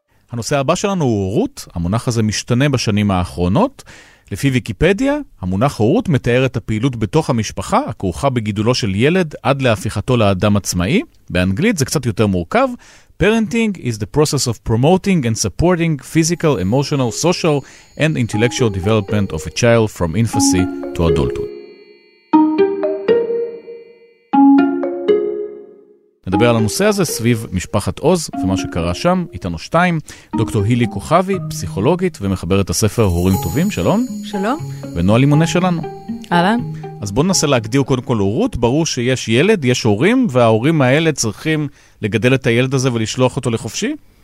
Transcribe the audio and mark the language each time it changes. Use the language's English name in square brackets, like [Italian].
[Hebrew] הנושא הבא שלנו הוא הורות. המונח הזה משתנה בשנים האחרונות. לפי ויקיפדיה, המונח הורות מתאר את הפעילות בתוך המשפחה, הכרוכה בגידולו של ילד עד להפיכתו לאדם עצמאי. באנגלית זה קצת יותר מורכב. [English] Parenting is the process of promoting and supporting physical, emotional, social and intellectual development of a child from infancy to adulthood. [Hebrew] נדבר על הנושא הזה סביב משפחת עוז ומה שקרה שם, איתנו שתיים, דוקטור הילי כוכבי, פסיכולוגית ומחברת הספר הורים טובים, שלום. שלום. ונועה לימונה שלנו. אהלן. אז בואו ננסה להגדיר קודם כל הורות, ברור שיש ילד, יש הורים, וההורים האלה צריכים לגדל את הילד הזה ולשלוח אותו לחופשי?